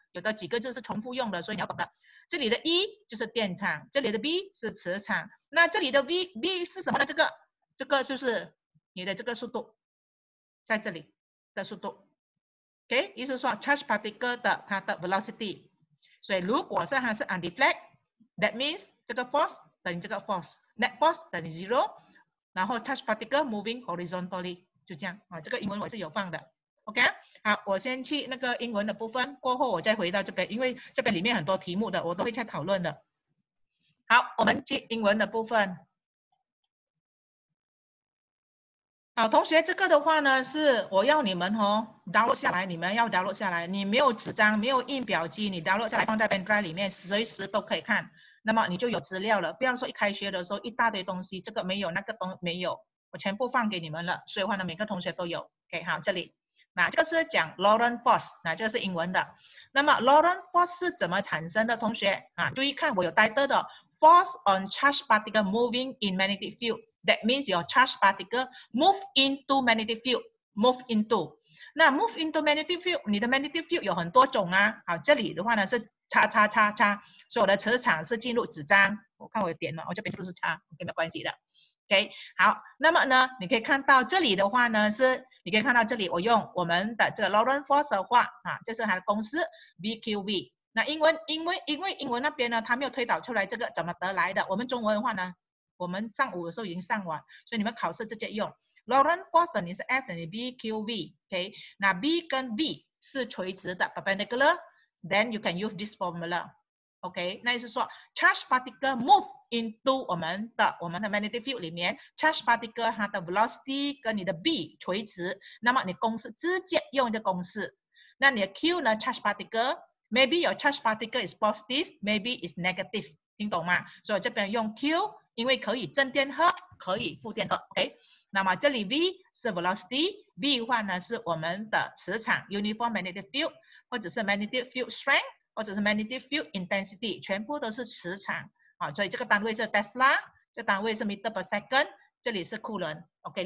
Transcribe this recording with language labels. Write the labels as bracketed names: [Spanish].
[Chinese] 有的几个字是重复用的，所以你要懂的。这里的 E 就是电场，这里的 B 是磁场，那这里的 V 是什么呢？这个就是你的这个速度，在这里的速度。 OK， 意思说 charge particle 的它的 velocity， 所以如果是它是 undeflect。 [English] That means [Chinese] 这个 force 等于这个 force， net force 等于 zero， 然后 [English] charge particle moving horizontally [Chinese] 就这样啊，这个英文我是有放的 ，OK？好，我先去那个英文的部分，过后我再回到这边，因为这边里面很多题目的，我都会再讨论的。好，我们去英文的部分。好，同学，这个的话呢，是我要你们哦 download 下来，你们要 download 下来。你没有纸张，没有印表机，你 download 下来放在 pendrive 里面，随时都可以看。那么你就有资料了。不要说一开学的时候一大堆东西，这个没有，那个都没有，我全部放给你们了。所以的话呢，每个同学都有。 OK， 好，这里，那这个是讲 Lorentz force， 那这个是英文的。那么 Lorentz force 是怎么产生的？同学啊，注意看，我有 title 的 [English] force on charge particle moving in magnetic field。 That means your charged particle move into magnetic field. Move into. [Chinese] 那 [English] move into magnetic field, [Chinese] 你的 magnetic field 有很多种啊。好，这里的话呢是叉叉叉叉，所以我的磁场是进入纸张。我看我点了，我这边就是叉， OK， 没关系的。OK， 好，那么呢，你可以看到这里的话呢是，你可以看到这里我用我们的这个 Lorentz force 的话啊，这是它的公式 VQV。那因为英文那边呢，它没有推导出来这个怎么得来的，我们中文的话呢？我们上午的时候已经上完，所以你们考试直接用 Lorentz force 等于是 F 等于 BQV， OK？那 B 跟 V 是垂直的 [English] perpendicular， then you can use this formula， OK？ [Chinese] 那意思说 [English] charge particle move into [Chinese] 我们的 magnetic field 里面， charge particle 它的 velocity 跟你的 B 垂直，那么你公式直接用这公式，那你的 Q 呢？ [English] charge particle maybe your charge particle is positive， maybe is negative， [Chinese] 听懂吗？所以这边用 Q。因为可以正电荷，可以负电荷 ，OK。那么这里 V 是 velocity，B 话呢是我们的磁场 [English] uniform magnetic field， [Chinese] 或者是 [English] magnetic field strength， [Chinese] 或者是 [English] magnetic field intensity， [Chinese] 全部都是磁场啊。所以这个单位是 tesla， 这单位是 [English] meter per second， [Chinese] 这里是 coulomb，OK、okay,。